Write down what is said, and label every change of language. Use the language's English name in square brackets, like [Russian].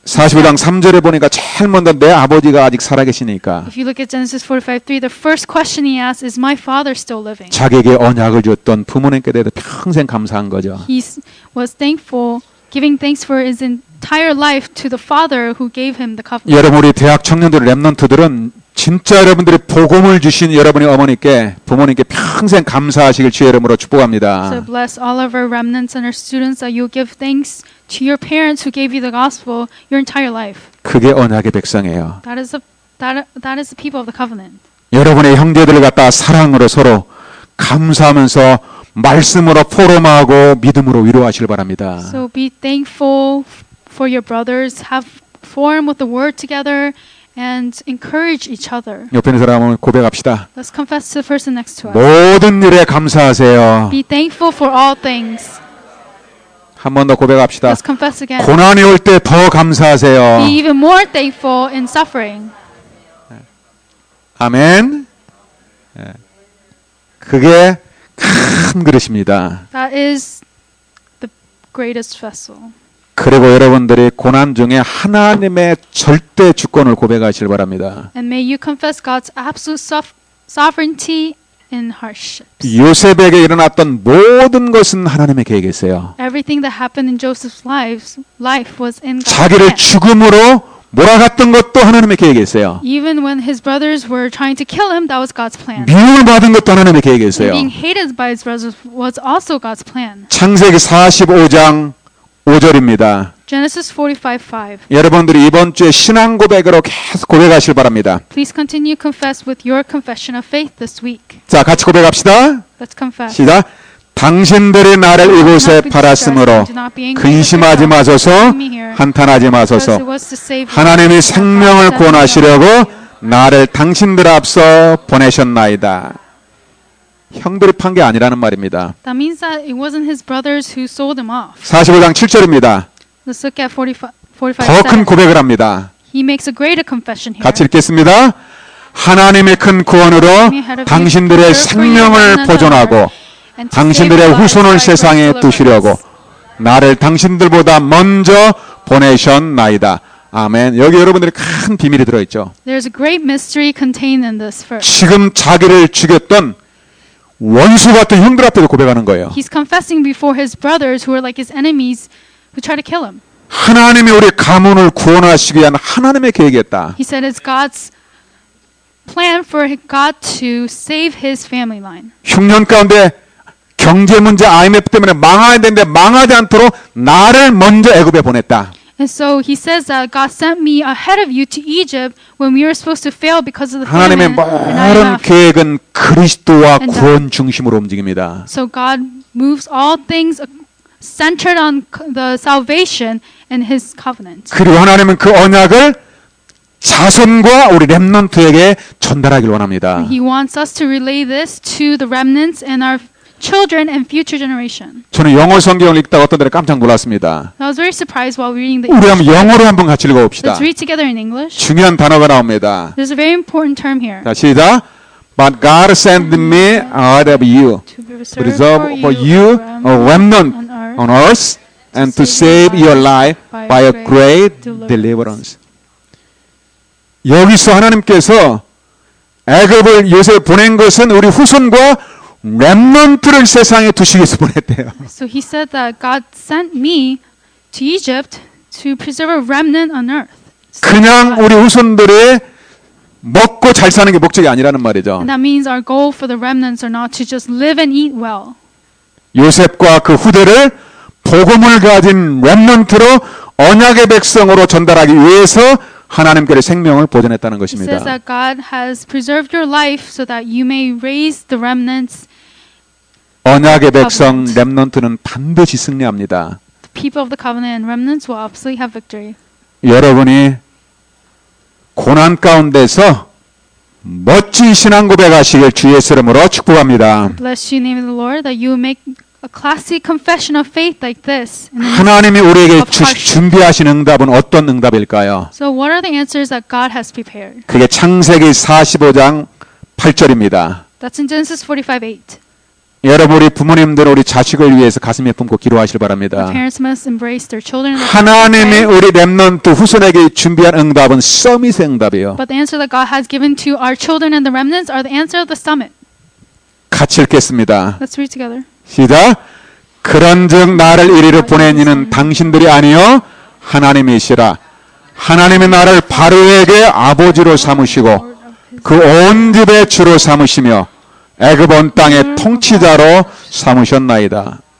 [Korean] 45장 3절에 보니까 제일 먼저 내 아버지가 아직 살아계시니까. [English] If you look at Genesis 45:3, the first question he asks is, "My father still living?" [Korean] 자기에게 언약을 줬던 부모님께 대해서 평생 감사한 거죠. [English] He was thankful, giving thanks for his entire life to the father who gave him the covenant. [Korean] 여러분 우리 대학 청년들, 렘넌트들은 진짜 여러분들이 복음을 주신 여러분의 어머니께 부모님께 평생 감사하시길 주의 이름으로 축복합니다. [English] So bless all of our remnants and our students that you give thanks to your parents who gave you the gospel your entire life. [Korean] 그게 언약의 백성이에요. [English] That is the people of the covenant. [Korean] 여러분의 형제들을 갖다 사랑으로 서로 감사하면서 말씀으로 포럼하고 믿음으로 위로하시길 바랍니다. [English] So be thankful for your brothers. Have form with the word together. And encourage each other. [Korean] 옆에 있는 사람을 고백합시다. [English] Let's confess to the person next to us. [Korean] 모든 일에 감사하세요. [English] Be thankful for all things. [Korean] 한 번 더 고백합시다. [English] Let's confess again. [Korean] 고난이 올 때 더 감사하세요. [English] Be even more thankful in suffering. [Korean] 아멘. 그게 큰 그릇입니다. [English] That is the greatest vessel. [Korean] 그리고 여러분들이 고난 중에 하나님의 절대 주권을 고백하시길 바랍니다. [English] And may you confess God's absolute sovereignty in hardships. [Korean] 요셉에게 일어났던 모든 것은 하나님의 계획이었어요. [English] Everything that happened in Joseph's life was in God's plan. [Korean] 자기를 죽음으로 몰아갔던 것도 하나님의 계획이었어요. [English] Even when his brothers were trying to kill him, that was God's plan. [Korean] 미움을 받은 것도 하나님의 계획이었어요. [English] Being hated by his brothers was also God's plan. [Korean] 창세기 45장 5절입니다. [English] Genesis 45:5. [Korean] 여러분들이 이번 주에 신앙 고백으로 계속 고백하실 바랍니다. [English] Please continue confess with your confession of faith this week. [Korean] 자, 같이 고백합시다. [English] Let's confess. [Korean] 시작. 당신들이 나를 이곳에 팔았으므로 근심하지 마소서, 한탄하지 마소서. 하나님이 생명을 구원하시려고 나를 당신들 앞서 보내셨나이다. 형들이 판 게 아니라는 말입니다. [English] That means that it wasn't his brothers who sold him off. [Korean] 45장 7절입니다. [English] Let's look at 45. [Korean] 더 큰 고백을 합니다. [English] He makes a greater confession here. [Korean] 같이 읽겠습니다. 하나님의 큰 구원으로 당신들의 생명을 보존하고 당신들의 후손을 세상에 두시려고 나를 당신들보다 먼저 보내셨나이다. 아멘. 여기 여러분들이 큰 비밀이 들어 있죠. [English] There's a great mystery contained in this verse. [Korean] 지금 자기를 죽였던 원수 같은 형들 앞에서 고백하는 거예요. [English] He's confessing before his brothers who are like his enemies who try to kill him. [Korean] 하나님이 우리 가문을 구원하시기 위한 하나님의 계획이었다. [English] He said it's God's plan for God to save his family line. [Korean] 흉년 가운데 경제 문제 IMF 때문에 망해야 되는데 망하지 않도록 나를 먼저 애굽에 보냈다. [English] And so he says that God sent me ahead of you to Egypt when we were supposed to fail because of the famine. [Korean] 하나님의 모든 계획은 그리스도와 구원 중심으로 움직입니다. [English] So God moves all things centered on the salvation and his covenant. [Korean] 그리고 하나님은 그 언약을 자손과 우리 렘넌트에게 전달하길 원합니다. [English] He wants us to relay this to the remnants and our children and future generation. [Korean] 저는 영어 성경을 읽다가 어떤 때는 깜짝 놀랐습니다. [English] I was very surprised while reading the. [Korean] 우리 한번 영어로 한번 같이 읽어봅시다. [English] Let's read together in English. [Korean] 중요한 단어가 나옵니다. [English] There's a very important term here. [Korean] 자, 시작. [English] But God sent me out of you to reserve for you a remnant on earth and to save your life by a great deliverance. [Korean] 여기서 하나님께서 애굽을 요새 보낸 것은 우리 후손과 렘넌트를 세상에 두시기 위해서 보냈대요. [English] So he said that God sent me to Egypt to preserve a remnant on earth. [Korean] 그냥 우리 후손들의 먹고 잘 사는 게 목적이 아니라는 말이죠. [English] And that means our goal for the remnants are not to just live and eat well. [Korean] 요셉과 그 후대를 복음을 가진 렘넌트로 언약의 백성으로 전달하기 위해서 하나님께서 생명을 보존했다는 것입니다. [English] It says that God has preserved your life so that you may raise the remnants. [Korean] 언약의 백성 렘넌트는 반드시 승리합니다. [English] The people of the covenant and remnants will absolutely have victory. [Korean] 여러분이 고난 가운데서 멋진 신앙 고백하시길 주의 이름으로 축복합니다. [English] Bless you in the name of the Lord that you make a classic confession of faith like this. [Korean] 하나님이 우리에게 준비하신 응답은 어떤 응답일까요? [English] So what are the answers that God has prepared? [Korean] 그게 창세기 45장 8절입니다. [English] That's in Genesis 45:8. [Korean] 여러분 우리 부모님들 우리 자식을 위해서 가슴에 품고 기도하실 바랍니다. [English] Parents must embrace their children. [Korean] 하나님이 우리 렘넌트 후손에게 준비한 응답은 서밋의 응답이요. [English] But the answer that God has given to our children and the remnants are the answer of the summit. [Korean] 같이 읽겠습니다. [English] Let's read together. [Korean] 시작. 그런즉 나를 이리로 보낸 이는 당신들이 아니요 하나님이시라. 하나님이 나를 바로에게 아버지로 삼으시고 그 온 집의 주로 삼으시며 애굽 온 땅의 통치자로 삼으셨나이다.